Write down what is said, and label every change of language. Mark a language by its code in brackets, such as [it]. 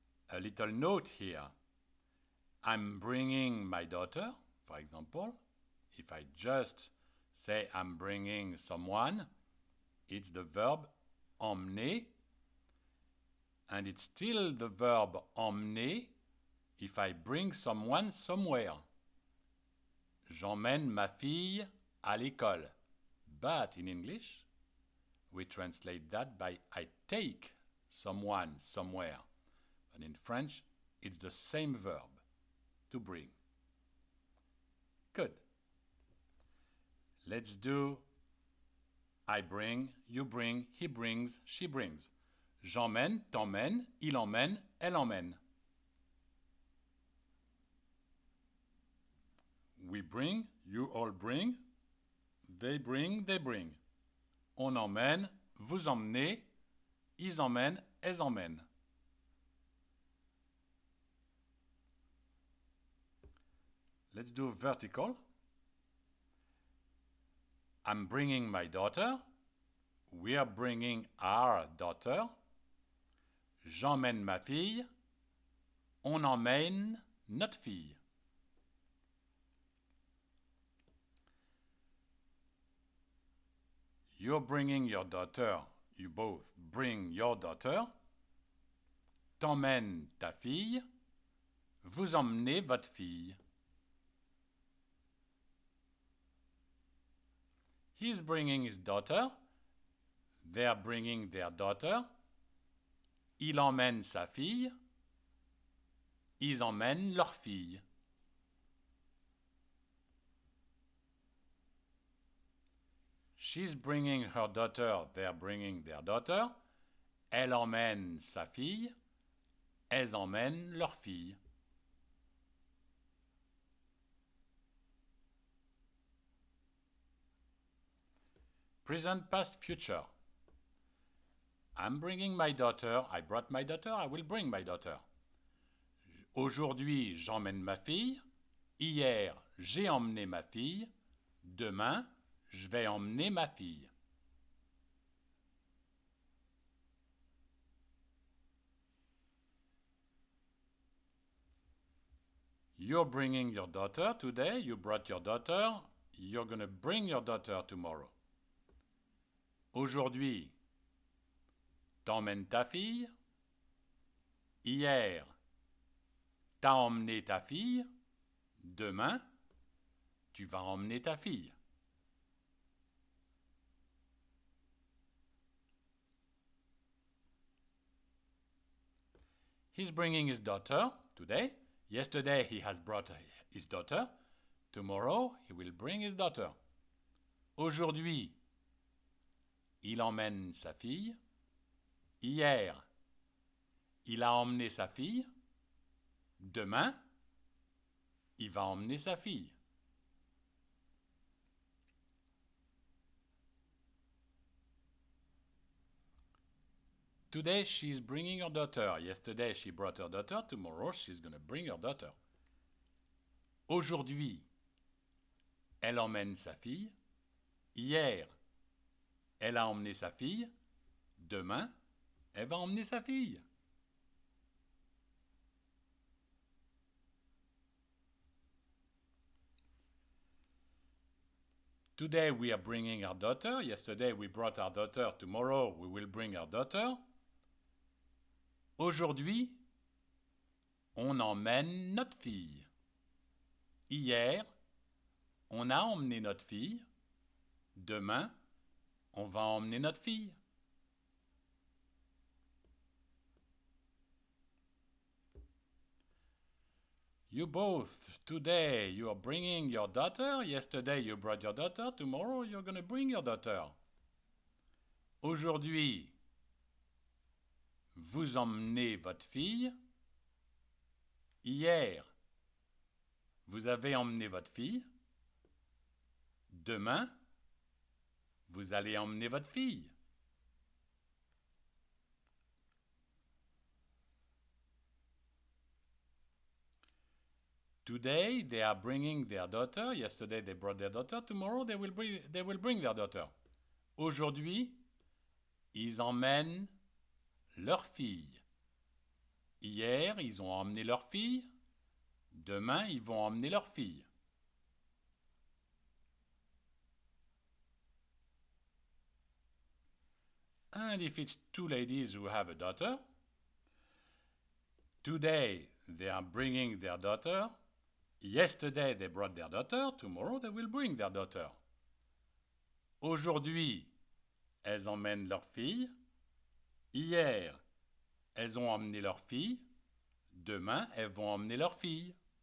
[en] A little note here. I'm bringing my daughter, for example. If I just say I'm bringing someone, it's the verb emmener. And it's still the verb emmener if I bring someone somewhere. [fr] J'emmène ma fille à l'école. [en] But in English, we translate that by I take someone somewhere. And in French, it's the same verb, to bring. Good. Let's do I bring, you bring, he brings, she brings. [fr] J'emmène, t'emmène, il emmène, elle emmène. [en] We bring, you all bring, they bring. [fr] On emmène, vous emmenez, ils emmènent, elles emmènent. [en] Let's do vertical. I'm bringing my daughter. We are bringing our daughter. [fr] J'emmène ma fille. On emmène notre fille. [en] You're bringing your daughter, you both bring your daughter. [fr] T'emmènes ta fille, vous emmenez votre fille. [en] He's bringing his daughter, they're bringing their daughter. [fr] Il emmène sa fille, ils emmènent leur fille. [en] She's bringing her daughter, they're bringing their daughter. [fr] Elle emmène sa fille, elles emmènent leur fille. [en] Present, past, future. I'm bringing my daughter, I brought my daughter, I will bring my daughter. [fr] Aujourd'hui, j'emmène ma fille. Hier, j'ai emmené ma fille. Demain, je vais emmener ma fille. [en] You're bringing your daughter today. You brought your daughter. You're going to bring your daughter tomorrow. [fr] Aujourd'hui, t'emmènes ta fille. Hier, t'as emmené ta fille. Demain, tu vas emmener ta fille. [en] He's bringing his daughter today. Yesterday he has brought his daughter. Tomorrow he will bring his daughter. [fr] Aujourd'hui, il emmène sa fille. Hier, il a emmené sa fille. Demain, il va emmener sa fille. [en] Today she's bringing her daughter. Yesterday she brought her daughter. Tomorrow she's going to bring her daughter. [fr] Aujourd'hui, elle emmène sa fille. Hier, elle a emmené sa fille. Demain, elle va emmener sa fille. [en] Today we are bringing our daughter. Yesterday we brought our daughter. Tomorrow we will bring our daughter. [fr] Aujourd'hui, on emmène notre fille. Hier, on a emmené notre fille. Demain, on va emmener notre fille. [en] You both, today, you are bringing your daughter. Yesterday, you brought your daughter. Tomorrow, you're going to bring your daughter. [fr] Aujourd'hui, vous emmenez votre fille. Hier, vous avez emmené votre fille. Demain, vous allez emmener votre fille. [en] Today they are bringing their daughter. Yesterday they brought their daughter. Tomorrow they will bring their daughter. [fr] Aujourd'hui, ils emmènent leur fille. Hier, ils ont emmené leur fille. Demain, ils vont emmener leur fille. [en] And if it's two ladies who have a daughter, today they are bringing their daughter. Yesterday they brought their daughter. Tomorrow they will bring their daughter. [fr] Aujourd'hui, elles emmènent leur fille. Hier, elles ont emmené leur fille. Demain, elles vont emmener leur fille.